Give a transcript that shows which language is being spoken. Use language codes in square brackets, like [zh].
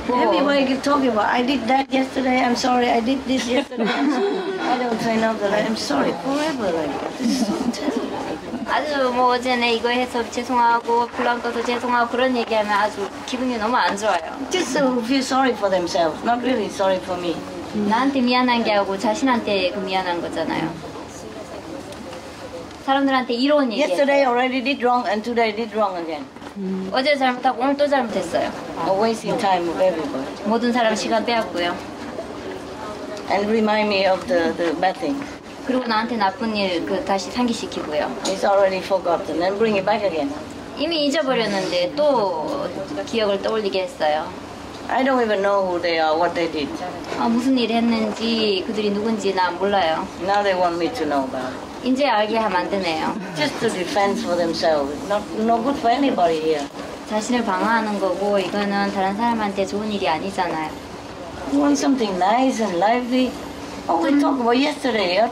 [en] Everybody can talk about I did that yesterday. I'm sorry. I did this yesterday. I don't say no that I'm sorry. Forever like that. This is so terrible. [ko] 아주 뭐 어제 이거 해서 죄송하고 불안 꺼서 죄송하고 그런 얘기하면 아주 기분이 너무 안 좋아요. [en] Just feel sorry for themselves. Not really sorry for me. [ko] 나한테 미안한 게 아니고 자신한테 미안한 거잖아요. 사람들한테 이런 얘기. [en] Yesterday already did wrong and today did wrong again. [ko] 어제 잘못하고 오늘 또 잘못했어요. [en] A wasting time of everybody. [ko] 모든 사람 시간 빼앗고요. [en] And remind me of the bad thing. [ko] 그리고 나한테 나쁜 일 그 다시 상기시키고요. [en] It's already forgotten and bring it back again. [ko] 이미 잊어버렸는데 또 기억을 떠올리게 했어요. [en] I don't even know who they are, what they did. [ko] 아, 무슨 일 했는지 그들이 누군지 나 몰라요. [en] Now they want me to know about. [ko] 이제 알게 하면 안 되네요. [en] Just to defend for themselves. No good for anybody here. [ko] 자신을 방어하는 거고 이거는 다른 사람한테 좋은 일이 아니잖아요. [en] You want something nice and lively? Oh, we talk about yesterday.